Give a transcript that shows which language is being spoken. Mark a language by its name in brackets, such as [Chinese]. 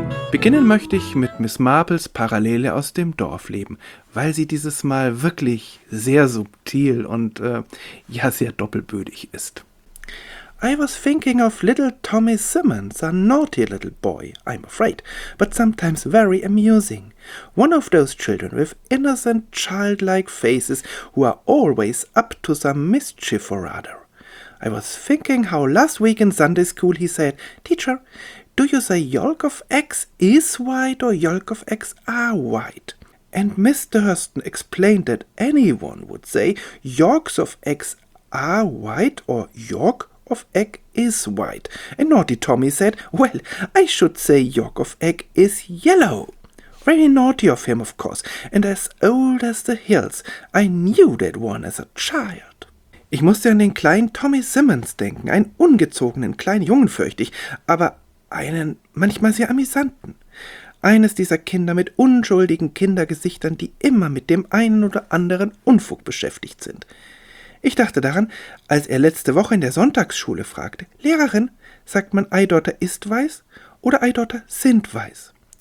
[German] Beginnen möchte ich mit Miss Marples Parallele aus dem Dorfleben, weil sie dieses Mal wirklich sehr subtil und sehr doppelbödig ist. [English] I was thinking of little Tommy Simmons, a naughty little boy, I'm afraid, but sometimes very amusing. One of those children with innocent childlike faces who are always up to some mischief or other. I was thinking how last week in Sunday school he said, "Teacher, do you say yolk of eggs is white or yolk of eggs are white?" And Mr. Hurston explained that anyone would say yolks of eggs are white or yolk of egg is white. And naughty Tommy said, "Well, I should say yolk of egg is yellow." Very naughty of him, of course, and as old as the hills, I knew that one as a child. [German] Ich musste an den kleinen Tommy Simmons denken, einen ungezogenen kleinen Jungen, fürchtig, aber einen manchmal sehr amüsanten. Eines dieser Kinder mit unschuldigen Kindergesichtern, die immer mit dem einen oder anderen Unfug beschäftigt sind. Ich dachte daran, als er letzte Woche in der Sonntagsschule fragte, "Lehrerin, sagt man Eidotter ist weiß oder Eidotter sind weiß?"